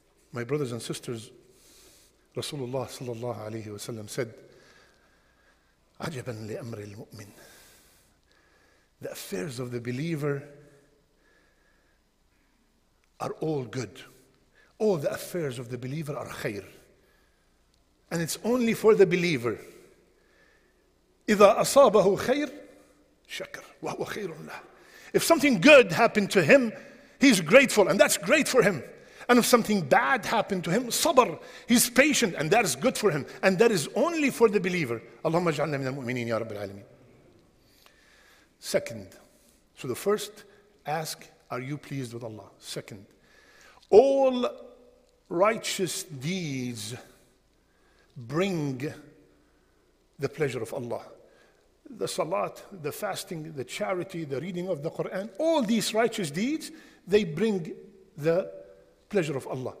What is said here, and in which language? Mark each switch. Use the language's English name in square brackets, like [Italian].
[English] My brothers and sisters, Rasulullah sallallahu alayhi wa sallam said, [Arabic] عجبا لأمر المؤمن. [English] The affairs of the believer are all good. All the affairs of the believer are خير. And it's only for the believer. [Arabic] إذا أصابه خير شكر وهو خير له. [English] If something good happened to him, he's grateful, and that's great for him. And if something bad happened to him, صبر, he's patient, and that is good for him. And that is only for the believer. [Arabic] اللهم اجعلنا من المؤمنين يا رب العالمين. [English] Second, so the first, ask, are you pleased with Allah? Second, all righteous deeds bring the pleasure of Allah. The salat, the fasting, the charity, the reading of the Quran, all these righteous deeds, they bring the pleasure of Allah.